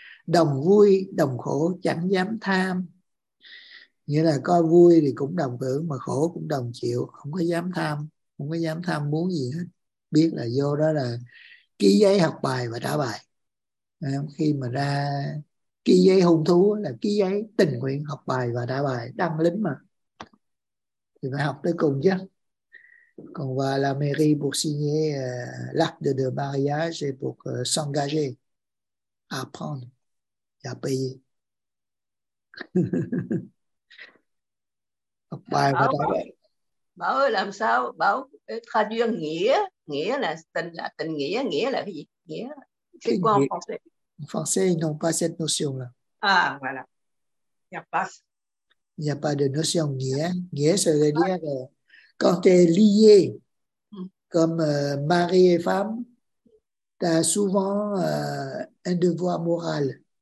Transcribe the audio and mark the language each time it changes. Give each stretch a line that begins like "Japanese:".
Vietnamese: Đồng vui đồng khổ chẳng dám tham, nghĩa là có vui thì cũng đồng hưởng mà khổ cũng đồng chịu, không có dám tham, không có dám tham muốn gì hết. Biết là vô đó là ký giấy học bài và trả bài. Khi mà ra ký giấy hung thú là ký giấy tình nguyện học bài và trả bài, đăng lính mà, thì phải học tới cùng chứ.
French: Qu'on va à la mairie pour signer l'acte de mariage et pour s'engager à prendre et à payer.
Vietnamese: Bảo, bảo, bảo ơi làm sao bảo traduire nghĩa, nghĩa là tình nghĩa, nghĩa là cái gì, nghĩa
French: c'est quoi en français? En français ils n'ont pas cette notion là. Ah voilà. Il n'y a pas de notion nghĩa. Nghĩa ça veut dire que quand tu es lié, comme mari et femme, tu as souvent un devoir moral.